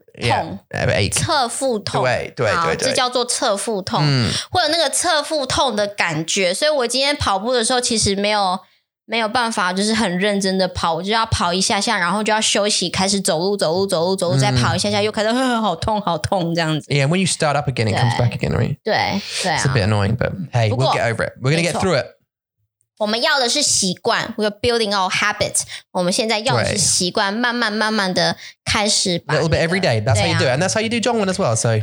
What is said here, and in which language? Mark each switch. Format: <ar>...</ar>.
<zh>痛，侧腹痛。对对对，这叫做侧腹痛。或者那个侧腹痛的感觉，所以我今天跑步的时候其实没有办法，就是很认真的跑，我就要跑一下下，然后就要休息，开始走路，再跑一下下，又开始好痛，这样子。</zh> <en>Yeah, when you start up again, it comes back again, right?</en> <zh>对，对啊。It's</zh> <en>a bit annoying, but hey, we'll get over it. We're going to get through it.</en> <zh>我们要的是习惯,</zh> <en>we're building our habits.</en> <zh>我们现在要的是习惯, 慢慢的开始把那个,</zh> <en>a little bit every day, that's how you do it. And that's how you do 中文 as well, so</en>